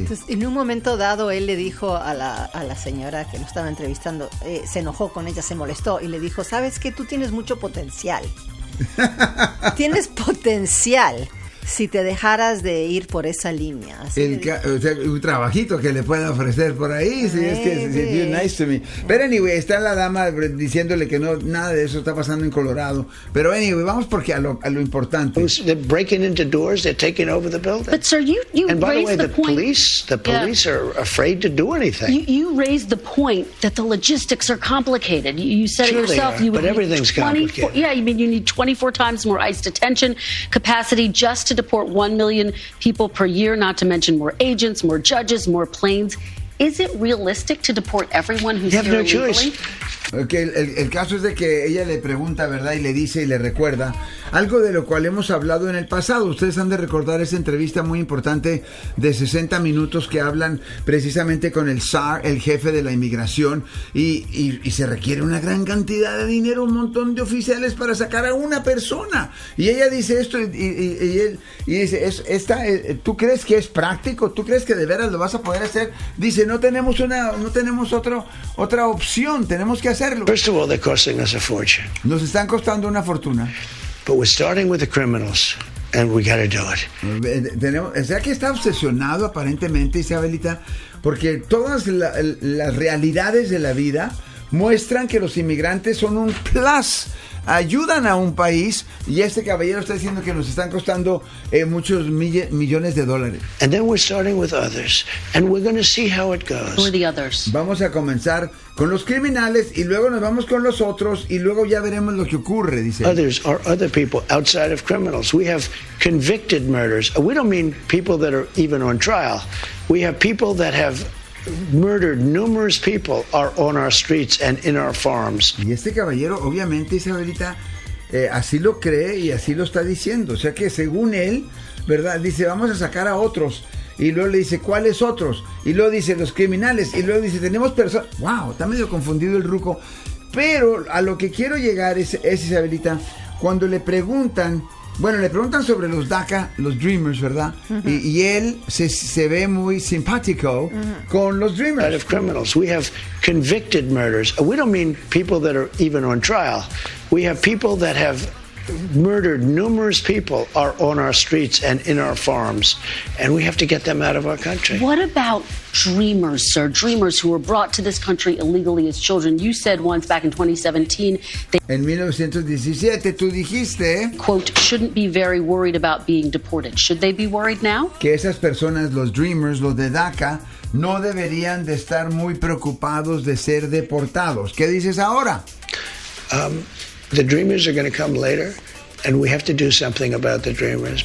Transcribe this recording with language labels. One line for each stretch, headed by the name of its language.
Spanish: Entonces, en un momento dado, él le dijo a la señora que no estaba entrevistando, se enojó con ella, se molestó y le dijo, ¿sabes qué? Tú tienes mucho potencial. Tienes potencial. si te dejaras de ir por esa línea. O sea, un trabajito que le pueda ofrecer por ahí, si es que es
English: nice to me.
Spanish: Pero anyway, está la dama diciéndole que no, nada de eso está pasando en Colorado. Pero anyway, vamos porque a lo importante.
English: They're breaking into doors, they're taking over the building. But sir, you raised the point. And by the way, the police are afraid to do anything. You raised the point that the logistics are complicated. You said sure it yourself. They are, but everything's complicated. Yeah, you mean you need 24 times more ICE detention capacity just to deport 1 million people per year, not to mention more agents, more judges, more planes. Is it realistic to deport everyone who's here illegally? You have no choice.
Spanish: Okay, el caso es de que ella le pregunta, ¿verdad? Y le dice y le recuerda algo de lo cual hemos hablado en el pasado. Ustedes han de recordar esa entrevista muy importante de 60 minutos que hablan precisamente con el SAR, el jefe de la inmigración, y se requiere una gran cantidad de dinero, un montón de oficiales para sacar a una persona. Y ella dice esto y dice, ¿tú crees que es práctico? ¿Tú crees que de veras lo vas a poder hacer? Dice, no tenemos otra opción, tenemos que hacerlo.
English: First of all, they're costing us a fortune.
Spanish: Nos están costando una fortuna.
English: But we're starting with the criminals, and we got to do it.
Spanish: O sea que está obsesionado aparentemente, Isabelita, porque todas las realidades de la vida muestran que los inmigrantes son un plus, ayudan a un país, y este caballero está diciendo que nos están costando muchos millones de dólares.
English: And then we're starting with others, and we're going to see how it goes. Who are the others?
Spanish: Vamos a comenzar con los criminales y luego nos vamos con los otros y luego ya veremos lo que ocurre, dice.
English: Others are other people outside of criminals. We have convicted murders. We don't mean people that are even on trial. We have people that have murdered numerous people are on our streets and in our farms.
Spanish: Y este caballero, obviamente, Isabelita, así lo cree y así lo está diciendo. O sea que según él, ¿verdad? Dice, vamos a sacar a otros. Y luego le dice, ¿cuáles otros? Y luego dice, los criminales. Y luego dice, tenemos personas. ¡Wow! Está medio confundido el ruco. Pero a lo que quiero llegar es Isabelita, cuando le preguntan. Bueno, le preguntan sobre los DACA, los Dreamers, ¿verdad? Uh-huh. Y él se ve muy simpático con los Dreamers.
English: Out of criminals, we have convicted murders. We don't mean people that are even on trial. We have people that have murdered numerous people are on our streets and in our farms, and we have to get them out of our country. What about Dreamers, sir? Dreamers who were brought to this country illegally as children. You said once back in 2017.
Spanish: En 1917, tú dijiste,
English: quote, shouldn't be very worried about being deported. Should they be worried now?
Spanish: Que esas personas, los Dreamers, los de DACA, no deberían de estar muy preocupados de ser deportados. ¿Qué dices ahora?
English: The Dreamers are going to come later, and we have to do something about the Dreamers.